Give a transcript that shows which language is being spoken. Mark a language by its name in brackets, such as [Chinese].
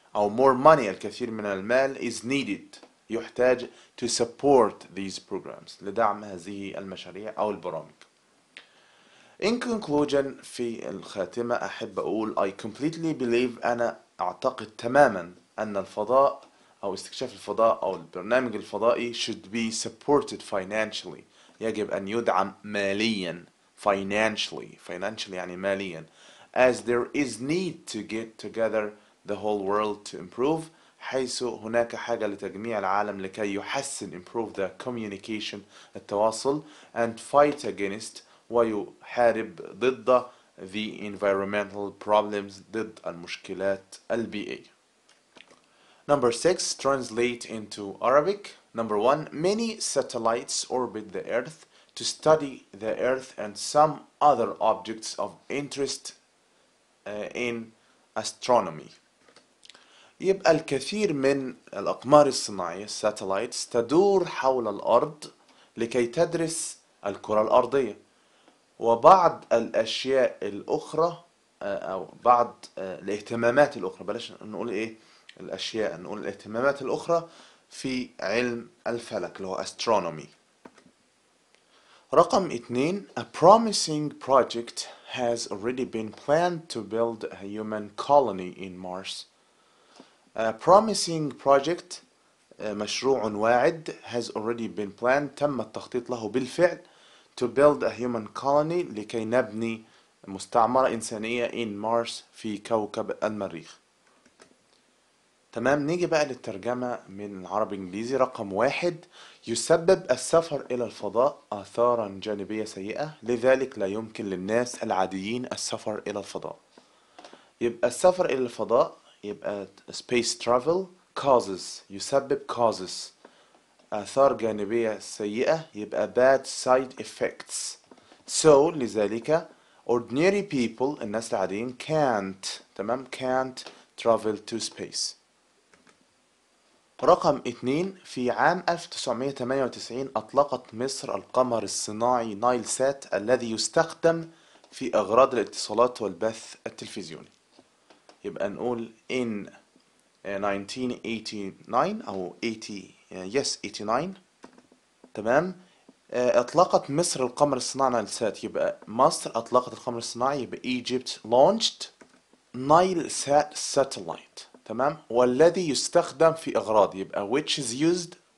[English] أو more money [Arabic] الكثير من المال [English] is needed يحتاج to support these programs [Arabic] لدعم هذه المشاريع أو البرامج. [English] In conclusion [Arabic] في الخاتمة أحب أقول [English] I completely believe [Arabic] أنا أعتقد تماما أن الفضاء أو استكشاف الفضاء أو البرنامج الفضائي [English] should be supported financially [Arabic] يجب أن يدعم ماليا financially financially يعني ماليا [English] as there is need to get together the whole world to improve [Arabic] حيث هناك حاجة لتجميع العالم لكي يحسن [English] improve the communication التواصل and fight against ويحارب ضد the environmental problems [Arabic] ضد المشكلات البيئية. [English] Number 6 translate into Arabic. Number 1 many satellites orbit the earth to study the earth and some other objects of interest in astronomy. [Arabic] يبقى الكثير من الأقمار الصناعية satellites تدور حول الأرض لكي تدرس الكرة الأرضية وبعض الأشياء الأخرى أو بعض الاهتمامات الأخرى بلاش نقول إيه الأشياء نقول الاهتمامات الأخرى في علم الفلك اللي هو astronomy. [English] رقم 2 A promising project has already been planned to build a human colony in Mars. A promising project [Arabic] مشروع واعد [English] has already been planned [Arabic] تم التخطيط له بالفعل [English] to build a human colony [Arabic] لكي نبني مستعمرة إنسانية [English] in Mars [Arabic] في كوكب المريخ. تمام نيجي بقى للترجمة من العربي الإنجليزي رقم 1 يسبب السفر إلى الفضاء آثارا جانبية سيئة لذلك لا يمكن للناس العاديين السفر إلى الفضاء. يبقى السفر إلى الفضاء يبقى [English] space travel causes [Arabic] يسبب causes آثار جانبية سيئة يبقى [English] bad side effects. So لذلك ordinary people [Arabic] الناس العاديين [English] can't تمام can't travel to space. [Arabic] رقم 2 في عام 1998 أطلقت مصر القمر الصناعي نايل سات الذي يستخدم في أغراض الاتصالات والبث التلفزيوني. يبقى نقول [English] in 1989 [Arabic] تمام أطلقت مصر القمر الصناعي نايل سات يبقى مصر أطلقت القمر الصناعي يبقى [English] Egypt launched [Arabic] نايل سات satellite تمام والذي يستخدم في أغراض يبقى [English] which is used